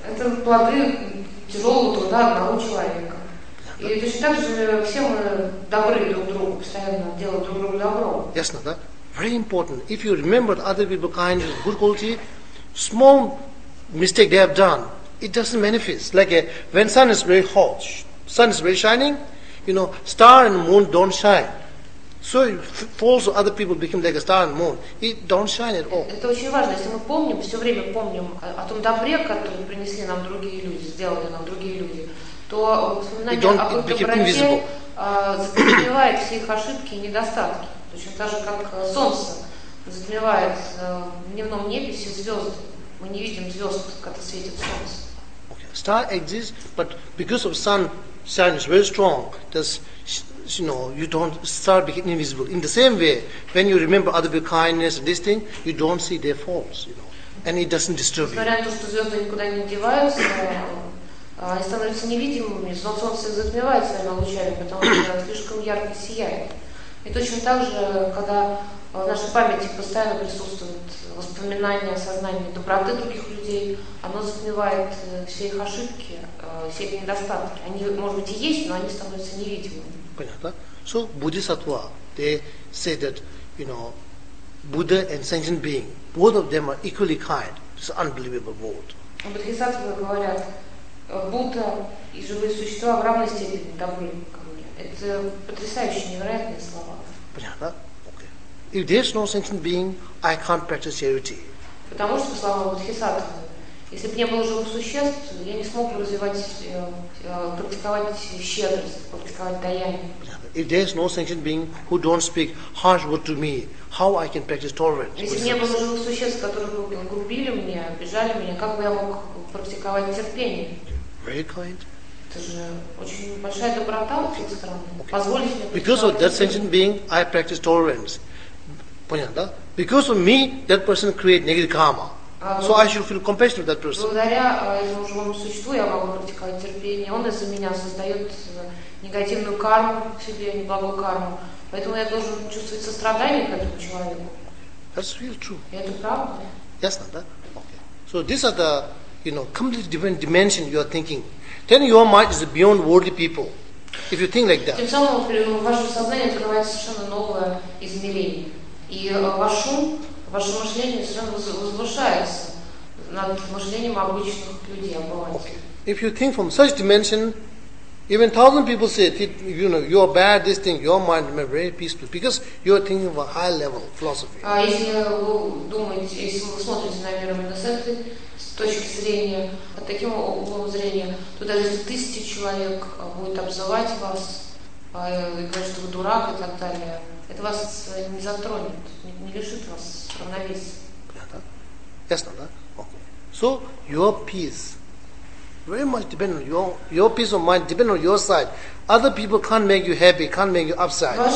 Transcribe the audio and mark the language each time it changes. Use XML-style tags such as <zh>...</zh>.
<ru>Это плоды тяжелого труда одного человека. И точно так же все мы добры друг другу, постоянно делаем друг другу добро. Ясно, да?</ru> <en>Very important. If you remember other people kindness, good quality, small mistake they have done, it doesn't manifest. Like when sun is very hot, sun is very shining, you know, star and moon don't shine. So false other people become like a star and moon. It don't shine at all.</en> <ru>Это очень важно. Если мы помним, все время помним о том добре, который принесли нам другие люди, сделали нам другие люди, то воспоминание о доброте затмевает все их ошибки и недостатки. Точно так же, как солнце затмевает в дневном небе все звезды. Мы не видим звезд, когда светит солнце.</ru> <en>Star exists, but because of sun, sun is very strong. Thus, you know, you don't start becoming invisible. In the same way, when you remember other people's kindness, this thing, you don't see their faults, you know, and it doesn't disturb you.</en> <ru>Несмотря на то, что звезды никуда не деваются, они становятся невидимыми. Солнце затмевает своими лучами, потому что слишком ярко сияет. И точно так же, когда в нашей памяти постоянно присутствует воспоминания, осознание доброты других людей, оно затмевает все их ошибки, все их недостатки. Они, может быть, и есть, но они становятся невидимыми. Понятно.</ru> <en>So, Bodhisattva, they say that, you know, Buddha and sentient being, both of them are equally kind. It's an unbelievable word.</en> <ru>Bodhisattva говорят, Будда и живые существа в равной степени добры ко мне. Это потрясающие, невероятные слова. Понятно.</ru> <en>If there's no sentient being, I can't practice charity.</en> <ru>Потому что, по словам Бодхисаттвы, если бы не было живых существ, я не смог бы развивать, практиковать щедрость, практиковать даяние.</ru> <en>If there's no sentient being who don't speak harsh word to me, how I can practice tolerance?</en> <ru>Если бы не было живых существ, которые бы грубили мне, обижали меня, как бы я мог практиковать терпение?</ru> <en>Very kind.</en> <ru>Это же очень большая доброта, с другой стороны.</ru> <en>Because of that sentient being, I practice tolerance.</en> <ru>Понятно, да?</ru> <en>Because of me, that person create negative karma. So I should feel compassion for that person.</en> <ru>Благодаря этому живому существу я могу практиковать терпение. Он из-за меня создает негативную карму в себе, неблагую карму. Поэтому я должен чувствовать сострадание к этому человеку.</ru> <en>That's really true.</en> <ru>И это правда. Ясно, да? Okay.</ru> <en>So these are the, you know, completely different dimension you are thinking. Then your mind is beyond worldly people. If you think like that.</en> <ru>Тем самым, ваше сознание открывает совершенно новое измерение. И ваш ум, ваше мышление совершенно возвышается над мышлением обычных людей, обывателей.</ru> <en>Okay. If you think from such dimension, even thousand people say, you know, you are bad, this thing, your mind may be very peaceful, because you are thinking of a high level philosophy.</en> <ru>А если вы думаете, если вы смотрите на мир именно с этой точки зрения, от таким углом зрения, то даже если тысячи человек будет обзывать вас, и говорить, что вы дурак и так далее, это вас не затронет, не лишит вас равновесия. Понятно? Ясно, да?</ru> <en>Okay. So, your peace, very much depend on your peace of mind, depend on your side. Other people can't make you happy, can't make you upset.</en>